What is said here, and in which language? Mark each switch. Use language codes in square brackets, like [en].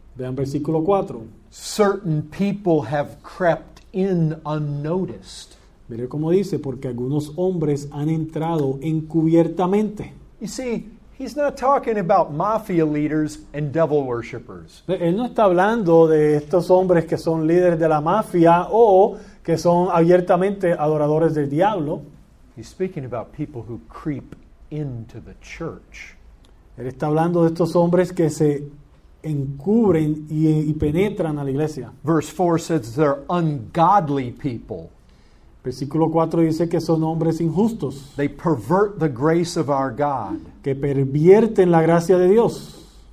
[es] Vean versículo 4. [en] Certain people have crept in unnoticed. [es] Mire cómo dice, porque algunos hombres han entrado encubiertamente. [en] You see, he's not talking about mafia leaders and devil worshippers. [es] Él no está hablando de estos hombres que son líderes de la mafia o que son abiertamente adoradores del diablo. [en] He's speaking about people who creep into the church. [es] Él está hablando de estos hombres que se encubren y penetran a la iglesia. [en] Verse 4 says they're ungodly people. [es] Versículo 4 dice que son hombres injustos. [en] They pervert the grace of our God. [es] Que pervierten la gracia de Dios.